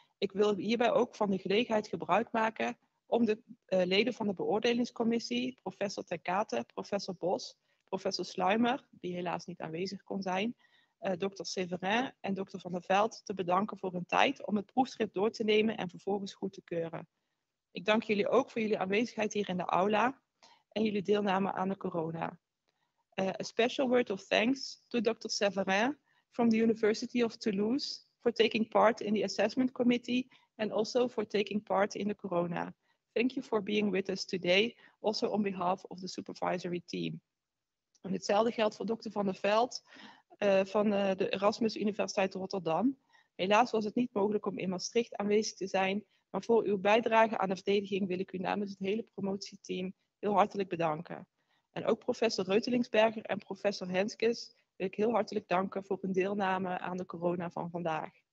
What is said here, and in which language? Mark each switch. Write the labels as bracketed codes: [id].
[nl] Ik wil hierbij ook van de gelegenheid gebruik maken om de leden van de beoordelingscommissie, professor Ter Kate, professor Bos, professor Sluimer, die helaas niet aanwezig kon zijn, dokter Severin en dokter Van der Veld te bedanken voor hun tijd om het proefschrift door te nemen en vervolgens goed te keuren. Ik dank jullie ook voor jullie aanwezigheid hier in de aula en jullie deelname aan de corona. [en] A special word of thanks to Dr. Severin from the University of Toulouse for taking part in the assessment committee and also for taking part in the corona. Thank you for being with us today, also on behalf of the supervisory team. [nl] En hetzelfde geldt voor Dr. van der Veld van de Erasmus Universiteit Rotterdam. Helaas was het niet mogelijk om in Maastricht aanwezig te zijn, maar voor uw bijdrage aan de verdediging wil ik u namens het hele promotieteam heel hartelijk bedanken. En ook professor Reutelingsberger en professor Henskes wil ik heel hartelijk danken voor hun deelname aan de corona van vandaag.